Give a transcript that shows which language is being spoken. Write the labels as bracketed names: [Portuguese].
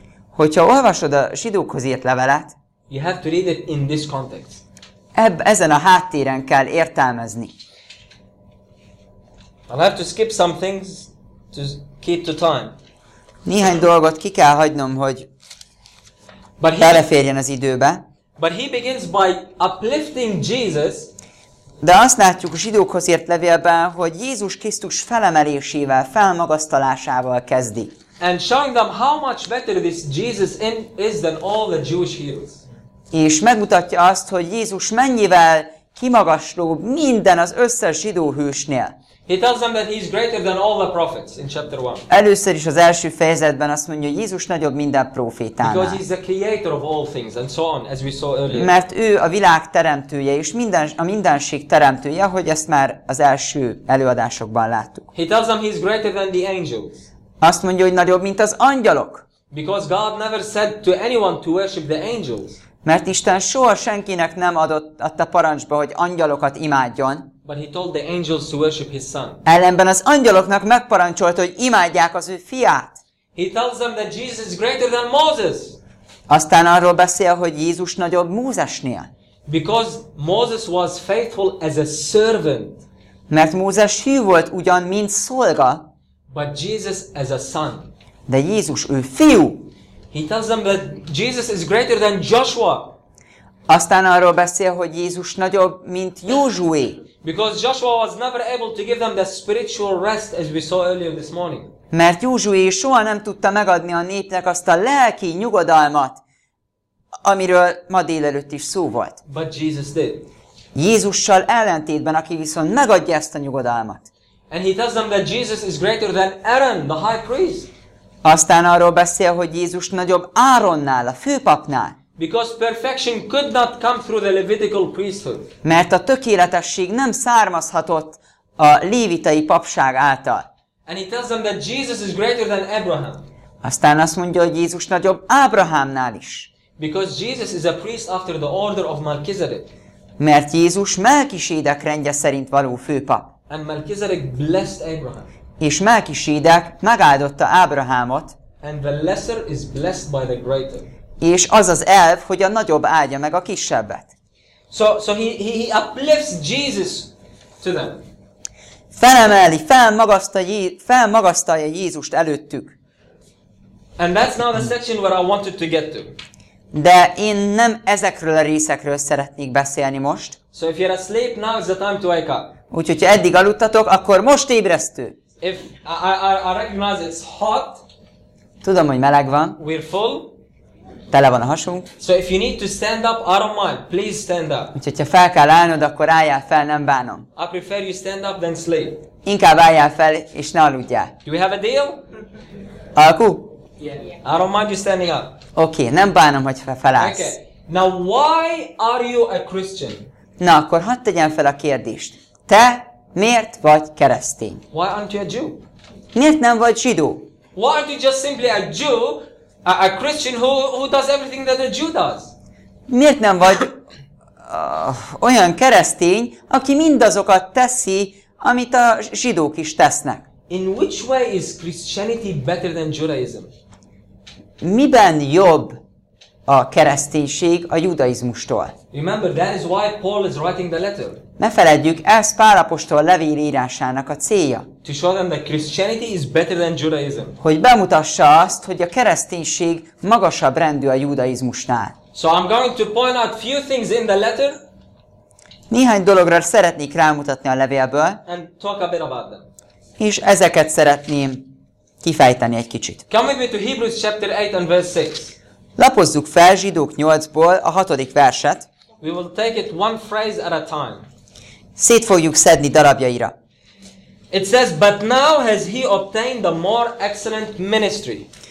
[Hungarian] hogyha olvasod a zsidókhoz írt levelet, [English] you have to read it in this context. [Hungarian] Ezen a háttéren kell értelmezni. [English] I'll have to skip some things to keep to time. [Hungarian] Néhány dolgot ki kell hagynom, hogy beleférjen az időbe. [English] But he begins by uplifting Jesus. [Hungarian] De azt látjuk a zsidókhoz írt levélben, hogy Jézus Krisztus felemelésével, felmagasztalásával kezdi. [English] And showing them how much better this Jesus is than all the Jewish heroes. [Hungarian] És megmutatja azt, hogy Jézus mennyivel kimagaslóbb minden az összes zsidó hősnél. [English] He tells them that he is greater than all the prophets in chapter 1. [Hungarian] Először is az első fejezetben azt mondja, hogy Jézus nagyobb minden profétánál. [English] Because he is the creator of all things and so on, as we saw earlier. [Hungarian] Mert ő a világ teremtője és minden, a mindenség teremtője, ahogy ezt már az első előadásokban láttuk. [English] He tells them he is greater than the angels. [Hungarian] Azt mondja, hogy nagyobb, mint az angyalok. [English] Because God never said to anyone to worship the angels. [Hungarian] Mert Isten soha senkinek nem adta parancsba, hogy angyalokat imádjon. [English] But he told the angels to worship his son. [Hungarian] Ellenben az angyaloknak megparancsolta, hogy imádják az ő fiát. [English] He tells them that Jesus is greater than Moses. [Hungarian] Aztán arról beszél, hogy Jézus nagyobb Mózesnél. [English] Because Moses was faithful as a servant. [Hungarian] Mert Mózes hű volt ugyan, mint szolga. [English] But Jesus as a son. [Hungarian] De Jézus ő fiú. [English] He tells them that Jesus is greater than Joshua. [Hungarian] Aztán arról beszél, hogy Jézus nagyobb, mint Józsué. [English] Because Joshua was never able to give them the spiritual rest as we saw earlier this morning. [Hungarian] Mert Józsué soha nem tudta megadni a népnek azt a lelki nyugodalmat, amiről ma délelőtt is szó volt. [English] But Jesus did. [Hungarian] Jézussal ellentétben, aki viszont megadja ezt a nyugodalmat. [English] And he tells them that Jesus is greater than Aaron, the high priest. [Hungarian] Aztán arról beszél, hogy Jézus nagyobb Áronnál, a főpapnál. [English] Because perfection could not come through the Levitical priesthood. [Hungarian] Mert a tökéletesség nem származhatott a lévitai papság által. [English] And he tells them that Jesus is greater than Abraham. [Hungarian] Aztán azt mondja, hogy Jézus nagyobb Ábrahámnál is. [English] Because Jesus is a priest after the order of Melchizedek. [Hungarian] Mert Jézus Melchizedek rendje szerint való főpap. [English] And Melchizedek blessed Abraham. [Hungarian] És Melchizedek megáldotta Ábrahámot. [English] And the lesser is blessed by the greater. [Hungarian] És az az elv, hogy a nagyobb áldja meg a kisebbet. [English] So he uplifts Jesus to them. [Hungarian] Felemeli, felmagasztalja Jézust előttük. [English] And that's now the section where I wanted to get to. [Hungarian] De én nem ezekről a részekről szeretnék beszélni most. [English] So if you're asleep, now is the time to wake up. [Hungarian] Úgyhogy ha eddig aludtatok, akkor most ébresztő. [English] If I recognize it's hot. [Hungarian] Tudom, hogy meleg van. [English] We're full. [Hungarian] tele van a hasunk. [English] So if you need to stand up, I don't mind. Please stand up. [Hungarian] Úgyhogy ha fel kell állnod, akkor álljál fel, nem bánom. [English] I prefer you stand up than sleep. [Hungarian] Inkább álljál fel, és ne aludjál. [English] Do we have a deal? [Hungarian] Alku? [English] Yeah. I don't mind you standing up. [Hungarian] Okay, nem bánom, hogy felállsz. [English] Okay. Now why are you a Christian? [Hungarian] Na, akkor hadd tegyem fel a kérdést. Te miért vagy keresztény? [English] Why aren't you a Jew? [Hungarian] Miért nem vagy zsidó? [English] Why aren't you just simply a Jew, a Christian who does everything that a Jew does? [Hungarian] Miért nem vagy olyan keresztény, aki mindazokat teszi, amit a zsidók is tesznek? [English] In which way is Christianity better than Judaism? [Hungarian] Miben jobb a kereszténység a judaizmustól? [English] Remember, that is why Paul is writing the letter. [Hungarian] Ne feledjük, ez Pál apostol levél írásának a célja. [English] To show them that Christianity is better than Judaism. [Hungarian] Hogy bemutassa azt, hogy a kereszténység magasabb rendű a judaizmusnál. [English] So I'm going to point out few things in the letter. [Hungarian] Néhány dologra szeretnék rámutatni a levélből. [English] And talk a bit about them. [Hungarian] És ezeket szeretném kifejteni egy kicsit. [English] Come with me to Hebrews chapter 8 and verse 6. [Hungarian] Lapozzuk fel Zsidók 8-ból a 6. verset. [English] We will take it one phrase at a time. [Hungarian] Szét fogjuk szedni darabjaira. [English] It says, but now has he obtained a more excellent ministry.